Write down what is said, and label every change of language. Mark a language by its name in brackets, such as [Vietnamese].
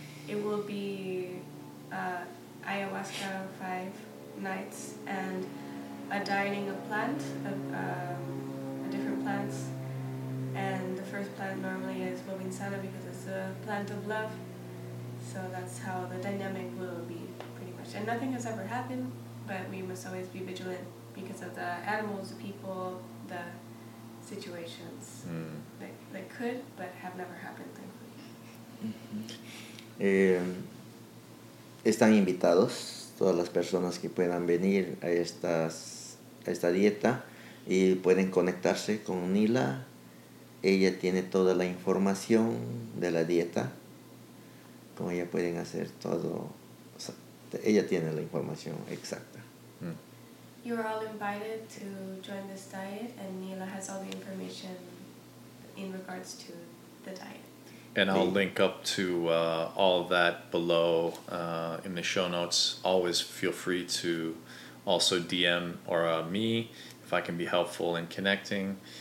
[English] It will be ayahuasca 5 nights and a dining of plant, a different plants, and the first plant normally is bovinsana because it's a plant of love, so that's how the dynamic will be pretty much. And nothing has ever happened, but we must always be vigilant because of the animals, the people, the situations that could but have never happened, thankfully. [Spanish] Están invitados todas las personas que puedan venir a esta dieta y pueden conectarse con Nila. Ella tiene toda la información de la dieta, con ella pueden hacer todo, o sea, ella tiene la información exacta. [English] You are all invited to join this diet, and Nila has all the information in regards to the diet. And I'll link up to all of that below in the show notes. Always feel free to also DM or me if I can be helpful in connecting.